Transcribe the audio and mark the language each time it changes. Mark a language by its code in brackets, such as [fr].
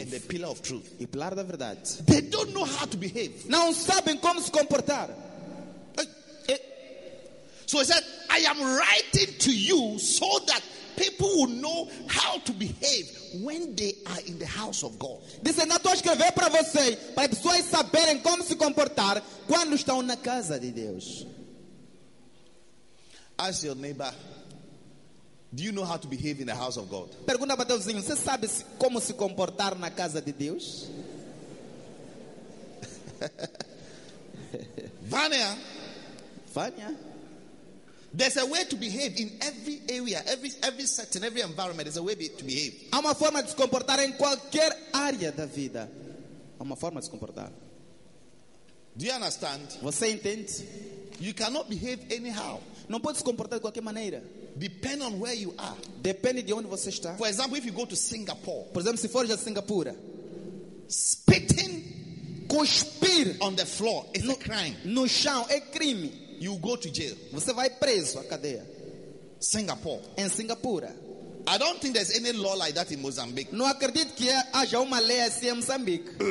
[en] and the pillar of truth, [pt] e pilar da verdade, [en] they don't know how to behave. [pt] Não sabem como se comportar. [en] So he said, I am writing to you so that people will know how to behave when they are in the house of God. [pt] Disse, não estou a escrever para vocês, para as pessoas saberem como se comportar quando estão na casa de Deus. [en] Ask your neighbor, do you know how to behave in the house of God? [pt] Pergunta para teu vizinho, você sabe como se comportar na casa de Deus? Vânia. Vânia. [en] There's a way to behave in every area, every setting, every environment. There's a way to behave. [pt] Há uma forma de se comportar em qualquer área da vida. Há uma forma de se comportar. [en] Do you understand? [pt] Você entende? [en] You cannot behave anyhow. [pt] Não pode se comportar de qualquer maneira. [en] Depend on where you are. [pt] Depende de onde você está. [en] For example, if you go to Singapore. [pt] Por exemplo, se for a Singapura. [en] Spitting, [pt] cuspir [en] on the floor is [pt] no, [en] a crime. [pt] No chão é crime. [en] You go to jail. [pt] Você vai preso à cadeia. [en] Singapore. [pt] Em Singapura. [en] I don't think there's any law like that in Mozambique. [pt] Não acredito que haja uma lei assim em Moçambique.